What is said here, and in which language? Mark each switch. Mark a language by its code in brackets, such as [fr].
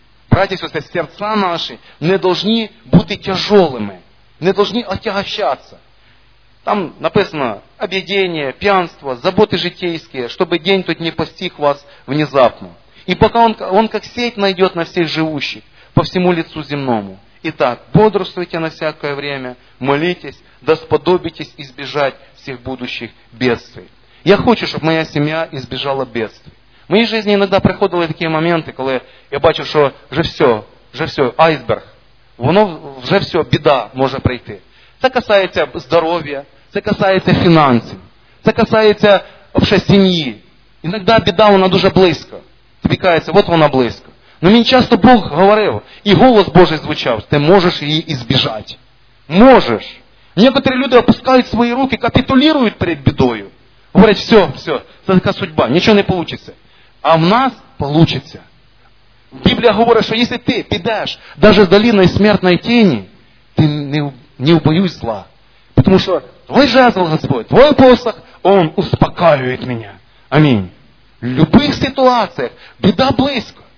[uk] Браті, серця наші не повинні бути тяжелими, не повинні отягощатися. Там написано об'єднання, п'янство, заботи житейські, щоб день тут не постиг вас внезапно. І поки він як сеть найде на всіх живущих по всьому лицу земному. І так, [ru] бодрствуйте на всякое время, молитесь, да сподобитесь избежать всіх будущих бедствий. [uk] Я хочу, щоб моя сім'я избежала бедствий. В моїй житті іноді приходили такі моменти, коли я бачив, що вже все, айсберг, воно вже все, біда може прийти. Це касається здоров'я, це касається фінансів, це касається взагалі сім'ї. Іноді біда, вона дуже близько. Тобі кажеться, от вона близько. Но мені часто Бог говорив, і голос Божий звучав, ти можеш її ізбіжати. Можеш. Некоторі люди опускають свої руки, капітулірують перед бідою. Говорять, все, все, це така судьба, нічого не вийде. А в нас вийде. Біблія говорить, що якщо ти підеш, навіть з долиною смертної тіні, ти не не убоюсь зла. [ru] Потому что твой жезл, Господь, твой посох, он успокаивает меня. Аминь. В любых ситуациях беда близко.